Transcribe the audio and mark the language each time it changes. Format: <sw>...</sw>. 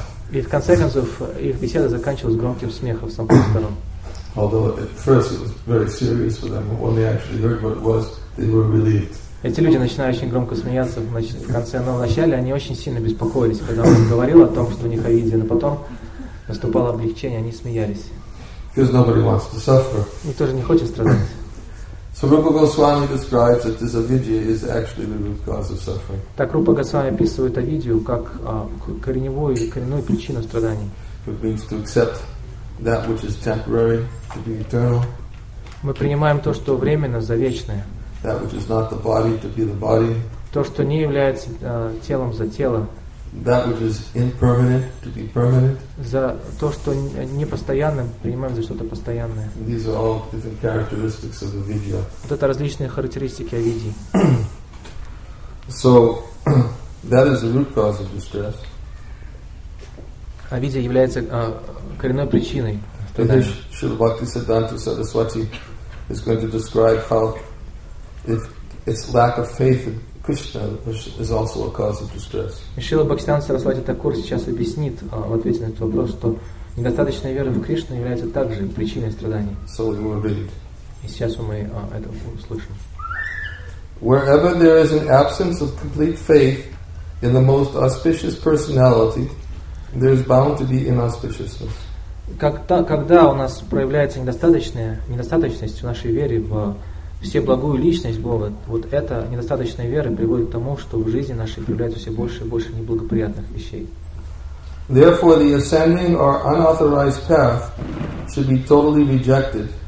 <ru>И в конце концов их беседа заканчивалась громким смехом с обеих сторон.</ru> <en>Although at first it was very serious for them, when they actually heard what it was, they were relieved.</en> <ru>Эти люди начинали очень громко смеяться в конце, но вначале они очень сильно беспокоились, когда он говорил о том, что у них авидия, но потом наступало облегчение, они смеялись.</ru> <en>Because nobody wants to suffer.</en> <ru>Никто же не хочет страдать.</ru> <en>So Rupa Goswami describes that this avidya is actually the root cause of suffering.</en> <ru>Так Рупа Госвами описывает авидию как корневую или коренную причину страданий.</ru> <en>It means to accept that which is temporary to be eternal.</en> <ru>Мы принимаем то, что временно, за вечное.</ru> <en>That which is not the body to be the body.</en> <ru>То, что не является телом, за тело.</ru> <en>That which is impermanent to be permanent.</en> <ru>За то, что непостоянным, принимаем за что-то постоянное.</ru> <en>These are all different characteristics of avidya.</en> <ru>Вот это различные характеристики авидии.</ru> <en>So that is the root cause of distress.</en> <ru>Авидия является коренной причиной.</ru> <en>Srila Bhaktisiddhanta Saraswati is going to describe how if its lack of faith in Krishna is also a cause of distress.</en> <ru>Шрила Бхактисиддханта Сарасвати Такур сейчас объяснит в ответе на этот вопрос, что недостаточная вера в Кришну является также причиной страданий.</ru> <en>So we will read.</en> <ru>И сейчас мы это услышим.</ru> <en>Wherever there is an absence of complete faith in the most auspicious personality, there is bound to be inauspiciousness.</en> <ru>Когда у нас проявляется недостаточность в нашей вере в все благую личность Бога, вот эта недостаточная вера приводит к тому, что в жизни нашей появляется все больше и больше неблагоприятных вещей.</ru> <en>Therefore, the ascending or unauthorized path should be totally rejected.</en>